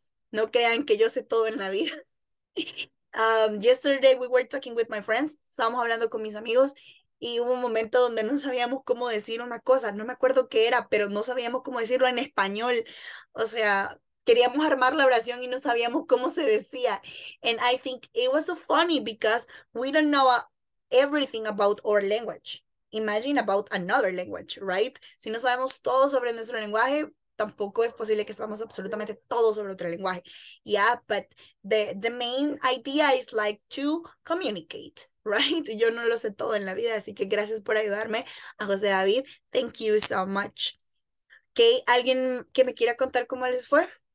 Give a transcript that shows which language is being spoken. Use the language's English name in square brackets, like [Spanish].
[Spanish] No crean que yo sé todo en la vida. [English] Yesterday we were talking with my friends. [Spanish] Estábamos hablando con mis amigos. Y hubo un momento donde no sabíamos cómo decir una cosa. No me acuerdo qué era, pero no sabíamos cómo decirlo en español. O sea, queríamos armar la oración y no sabíamos cómo se decía. [English] And I think it was so funny because we don't know everything about our language. Imagine about another language, right? [Spanish] Si no sabemos todo sobre nuestro lenguaje, tampoco es posible que sepamos absolutamente todo sobre otro lenguaje. [English] Yeah, but the main idea is like to communicate, right? [Spanish] Yo no lo sé todo en la vida, así que gracias por ayudarme a José David. [English] Thank you so much. [Spanish] Okay, ¿alguien que me quiera contar cómo les fue?